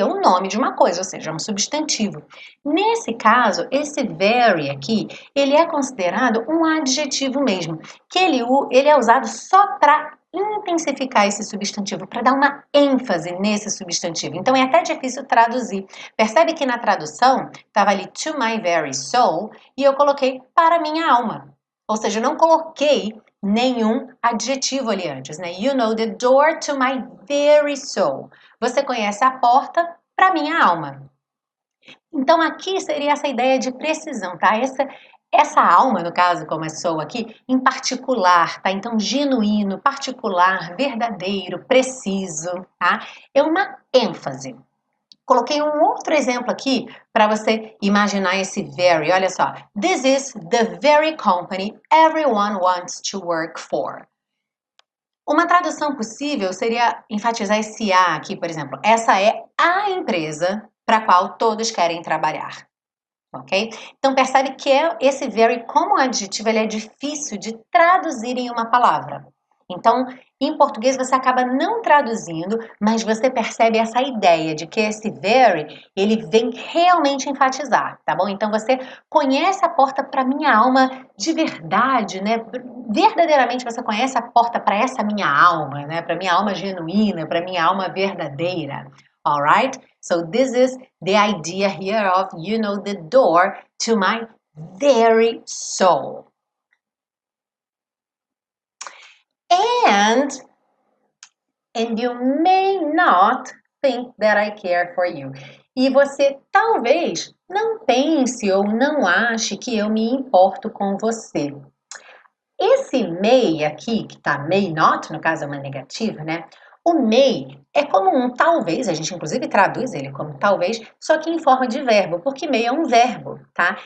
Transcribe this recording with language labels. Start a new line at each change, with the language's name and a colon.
Portuguese: É o nome de uma coisa, ou seja, um substantivo. Nesse caso, esse very aqui, ele é considerado um adjetivo mesmo, que ele é usado só para intensificar esse substantivo, para dar uma ênfase nesse substantivo. Então é até difícil traduzir. Percebe que na tradução estava ali
English: to my very soul
Portuguese: e eu coloquei para minha alma. Ou seja, eu não coloquei nenhum adjetivo ali antes, né?
English: You know the door to my very soul.
Portuguese: Você conhece a porta para minha alma. Então aqui seria essa ideia de precisão, tá? Essa alma, no caso, como é soul aqui, em particular, tá? Então, genuíno, particular, verdadeiro, preciso, tá? É uma ênfase. Coloquei um outro exemplo aqui para você imaginar esse very. Olha só.
English: This is the very company everyone wants to work for.
Portuguese: Uma tradução possível seria enfatizar esse A aqui, por exemplo. Essa é a empresa para qual todos querem trabalhar. Ok? Então percebe que esse very como adjetivo ele é difícil de traduzir em uma palavra. Então, em português você acaba não traduzindo, mas você percebe essa ideia de que esse very ele vem realmente enfatizar, tá bom? Então você conhece a porta para minha alma de verdade, né? Verdadeiramente você conhece a porta para essa minha alma, né? Para minha alma genuína, para minha alma verdadeira.
English: All right? So this is the idea here of, you know, the door to my very soul. And you may not think that I care for you.
Portuguese: E você talvez não pense ou não ache que eu me importo com você. Esse may aqui, que tá may not, no caso é uma negativa, né? O may é como um talvez, a gente inclusive traduz ele como talvez, só que em forma de verbo, porque may é um verbo, tá?